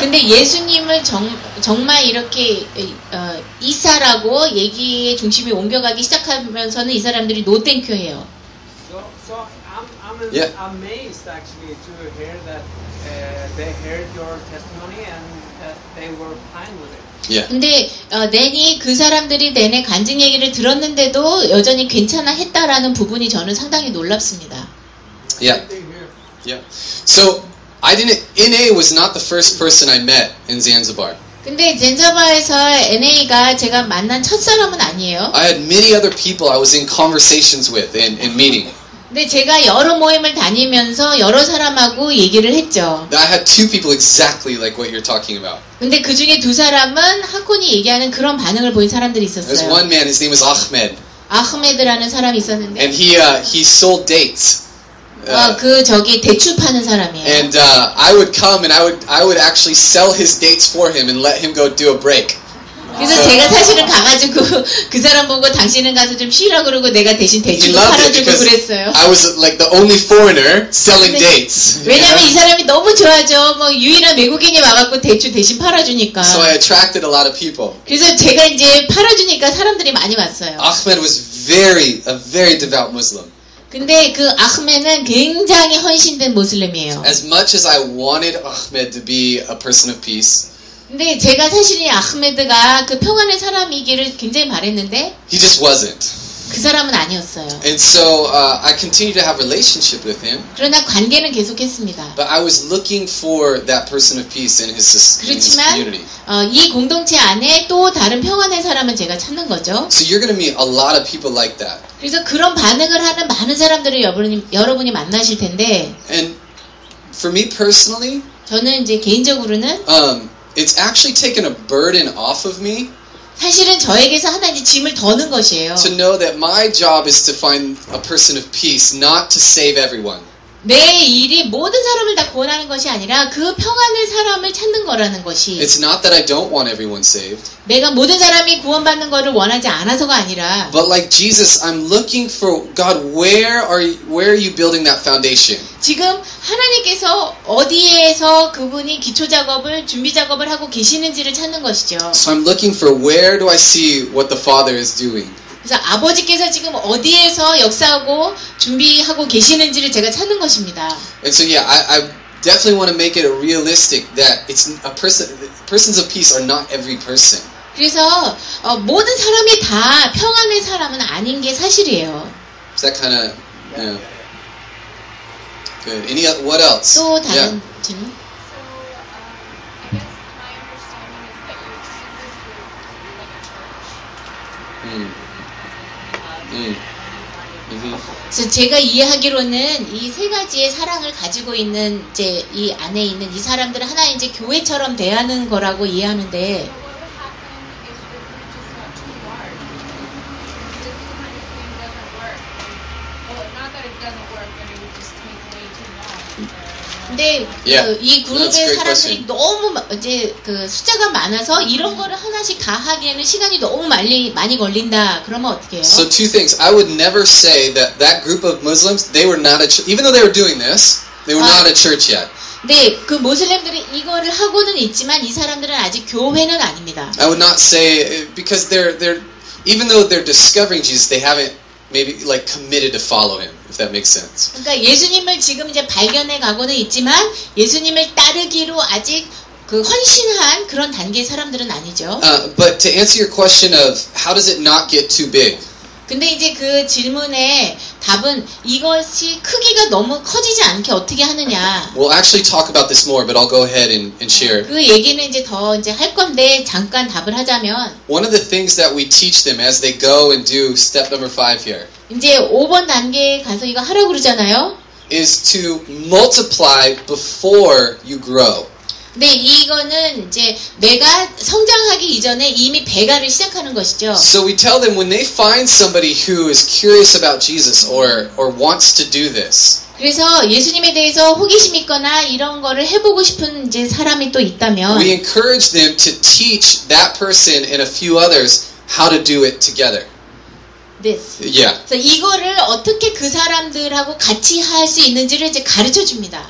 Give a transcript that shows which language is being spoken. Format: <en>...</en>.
<ko>근데 예수님을 정말 이렇게 이사라고 얘기의 중심이 옮겨가기 시작하면서는 이 사람들이</ko> <en>노 땡큐</en> <ko>해요.</ko> <en>So I'm amazed actually to hear that they heard your testimony and that they were fine with it. Yeah.</en> <ko>근데 내니 그 사람들이 내내 간증 얘기를 들었는데도 여전히 괜찮아 했다라는 부분이 저는 상당히 놀랍습니다.</ko> <en>Yeah. Yeah. So I didn't. NA was not the first person I met in Zanzibar.</en> <ko>근데 젠자바에서 NA가 제가 만난 첫 사람은 아니에요.</ko> <en>I had many other people I was in conversations with in meeting.</en> <ko>근데 제가 여러 모임을 다니면서 여러 사람하고 얘기를 했죠.</ko> <en>I had two people exactly like what you're talking about.</en> <ko>근데 그 중에 두 사람은 하코니 얘기하는 그런 반응을 보인 사람들이 있었어요.</ko> <en>There's one man. His name was Ahmed.</en> <ko>아흐메드라는 사람이 있었는데.</ko> <en>And he sold dates.</en> <ko>그 저기 대추 파는 사람이에요.</ko> <en>And I would come and I would actually sell his dates for him and let him go do a break.</en> <ko>그래서 제가 사실은 가가지고 그 사람 보고 당신은 가서 좀 쉬라 그러고 내가 대신 대추 팔아주고 그랬어요.</ko> <en>I was like the only foreigner selling dates.</en> <ko>왜냐면 이 사람이 너무 좋아져. 뭐 유일한 외국인이 와갖고 대추 대신 팔아주니까.</ko> <en>So I attracted a lot of people.</en> <ko>그래서 제가 이제 팔아주니까 사람들이 많이 왔어요.</ko> <en>Ahmed was a very devout Muslim.</en> <ko>근데 그 아흐메드는 굉장히 헌신된 무슬림이에요.</ko> <en>As much as I wanted Ahmed to be a person of peace.</en> <ko>근데 제가 사실 이 아흐메드가 그 평안의 사람이기를 굉장히 바랬는데</ko> <en>He just wasn't.</en> <ko>그 사람은 아니었어요.</ko> <en>And so I continued to have relationship with him.</en> <ko>그러나 관계는 계속했습니다.</ko> <en>But I was looking for that person of peace in his community.</en> <ko>그렇지만 이 공동체 안에 또 다른 평안의 사람을 제가 찾는 거죠.</ko> <en>So you're going to meet a lot of people like that.</en> <ko>그래서 그런 반응을 하는 많은 사람들을 여러분이 만나실 텐데</ko> <en>And for me personally</en> <ko>저는 이제 개인적으로는</ko> <en>It's actually taken a burden off of me.</en> <ko>사실은 저에게서 하나 이제 짐을 더는 것이에요.</ko> <en>To know that my job is to find a person of peace, not to save everyone.</en> <ko>내 일이 모든 사람을 다 구원하는 것이 아니라 그 평안의 사람을 찾는 거라는 것이.</ko> <en>It's not that I don't want everyone saved.</en> <ko>내가 모든 사람이 구원받는 것을 원하지 않아서가 아니라.</ko> <en>But like Jesus, I'm looking for God. Where are you building that foundation?</en> <ko>지금 하나님께서 어디에서 그분이 기초 작업을 준비 작업을 하고 계시는지를 찾는 것이죠.</ko> <en>So I'm looking for where do I see what the Father is doing.</en> <ko>그래서 아버지께서 지금 어디에서 역사하고 준비하고 계시는지를 제가 찾는 것입니다.</ko> <en>And so yeah, I definitely want to make it realistic that it's a person. Persons of peace are not every person.</en> <ko>그래서 모든 사람이 다 평안의 사람은 아닌 게 사실이에요.</ko> <en>Is that kind of good? Any other, what else?</en> <ko>또 다른 질문. Mm-hmm. 그래서 제가 이해하기로는 이 세 가지의 사랑을 가지고 있는 이제 이 안에 있는 이 사람들을 하나의 이제 교회처럼 대하는 거라고 이해하는데</ko> <en>so what</en> <ko>근데</ko> <en>yeah.</en> <ko>그, 이 그룹의 사람들이 너무 이제 그 숫자가 많아서 이런 거를 하나씩 다 하기에는 시간이 너무 많이 걸린다. 그러면 어떻게 해요?</ko> <en>So two things. I would never say that that group of Muslims they were not a church. Even though they were doing this, they were not a church yet.</en> <ko>네, 그 무슬림들이 이거를 하고는 있지만 이 사람들은 아직 교회는 아닙니다.</ko> <en>I would not say because they're even though they're discovering Jesus, they haven't maybe like committed to follow him. If that makes sense.</en> <ko>그러니까 예수님을 지금 이제 발견해 가고는 있지만 예수님을 따르기로 아직 그 헌신한 그런 단계 사람들은 아니죠.</ko> <en>But to answer your question of how does it not get too big?</en> <ko>근데 이제 그 질문에 답은 이것이 크기가 너무 커지지 않게 어떻게 하느냐.</ko> <en>We'll actually talk about this more, but I'll go ahead and share.</en> <ko>그 얘기는 이제 더 이제 할 건데 잠깐 답을 하자면.</ko> <en>One of the things that we teach them as they go and do step number five here.</en> <ko>이제 5번 단계에 가서 이거 하라고 그러잖아요.</ko> <en>Is to multiply before you grow.</en> <ko>네, 이거는 이제 내가 성장하기 이전에 이미 배가를 시작하는 것이죠.</ko> <en>So we tell them when they find somebody who is curious about Jesus or wants to do this.</en> <ko>그래서 예수님에 대해서 호기심 있거나 이런 거를 해보고 싶은 이제 사람이 또 있다면</ko> <en>we encourage them to teach that person and a few others how to do it together. This. Yeah.</en> <ko>그래서 이거를 어떻게 그 사람들하고 같이 할 수 있는지를 이제 가르쳐 줍니다.</ko>